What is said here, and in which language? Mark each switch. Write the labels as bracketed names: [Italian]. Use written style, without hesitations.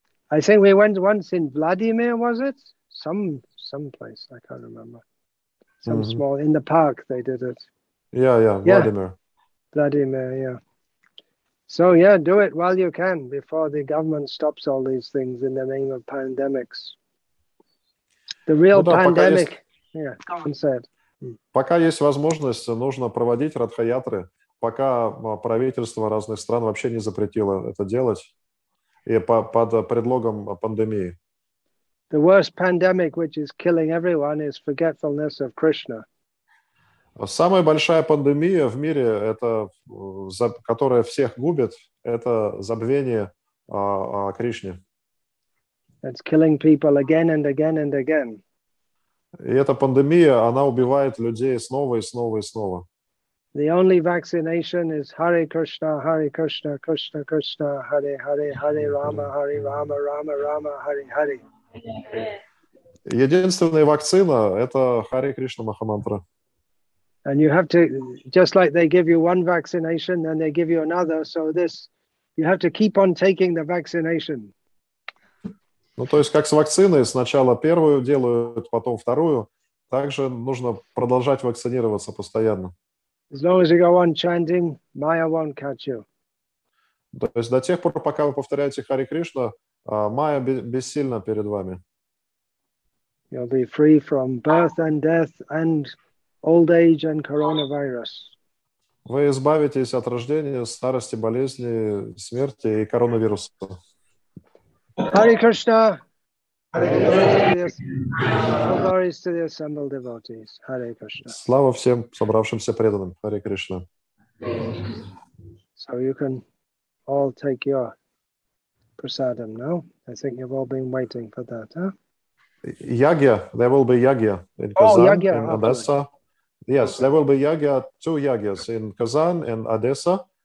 [English] I think we went once in Vladimir, was it? Some place, I can't remember. Some small, in the park they did it. Yeah, Vladimir. Vladimir, yeah. So yeah, do it while you can before the government stops all these things in the name of pandemics. The real pandemic. Yeah, go on, say it. [Russian] Пока есть возможность, нужно проводить радхаятры, пока правительство разных стран вообще не запретило это делать. И под предлогом пандемии. [English] The worst pandemic, which is killing everyone, is forgetfulness of Krishna. [Russian] Самая большая пандемия в мире, это, которая всех губит, это забвение о Кришне. [English] It's killing people again and again and again. [Russian] И эта пандемия, она убивает людей снова и снова и снова. [English] The only vaccination is Hare Krishna, Hare Krishna, Krishna Krishna, Hare Hare, Hare Rama, Hare Rama, Rama Rama, Hare Hare. [Russian] Единственная вакцина – это Hare Krishna Mahamantra. [English] And you have to, just like they give you one vaccination, then they give you another, so this, you have to keep on taking the vaccination. [Russian] Ну, то есть, как с вакциной, сначала первую делают, потом вторую, также нужно продолжать вакцинироваться постоянно. [English] As long as you go on chanting, Maya won't catch you. [Russian] То есть до тех пор, пока вы повторяете Hare Krishna, Maya бессильна перед вами. [English] You'll be free from birth and death and old age and coronavirus. [Russian] Вы избавитесь от рождения, старости, болезни, смерти и коронавируса. [English] Hare Krishna! Hare Krishna! Glories to the assembled devotees. Hare Krishna. [Russian] Слава всем собравшимся преданным. [English] Hare Krishna. So you can all take your prasadam now. I think you've all been waiting for that, huh? Yagya. There will be yagya in Kazan, yagya, in Odessa. Yes, there will be yagya, two yagyas in Kazan and Odessa.